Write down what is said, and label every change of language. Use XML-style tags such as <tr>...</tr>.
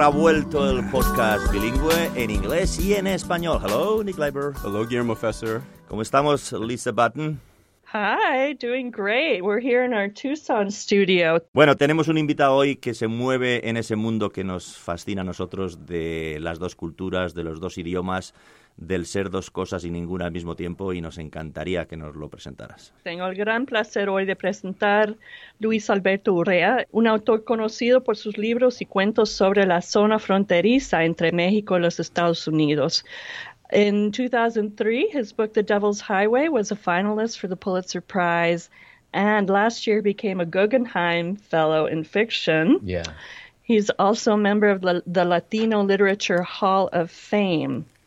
<es>Ha vuelto el podcast bilingüe en inglés y en español.</es> <en>Hello, Nick Leiber. Hello, Guillermo Fesser.</en> <es>¿Cómo estamos, Lisa Button?</es> <en>Hi, doing great. We're here in our Tucson studio.</en> <es>Bueno, tenemos un invitado hoy que se mueve en ese mundo que nos fascina a nosotros de las dos culturas, de los dos idiomas, del ser dos cosas y ninguna al mismo tiempo, y nos encantaría que nos lo presentaras. Tengo el gran placer hoy de presentar Luis Alberto Urrea, un autor conocido por sus libros y cuentos sobre la zona fronteriza entre México y los Estados Unidos.</es> <en>In 2003, his book The Devil's Highway was a finalist for the Pulitzer Prize, and last year became a Guggenheim Fellow in Fiction. Yeah. He's also a member of the Latino Literature Hall of Fame.</en>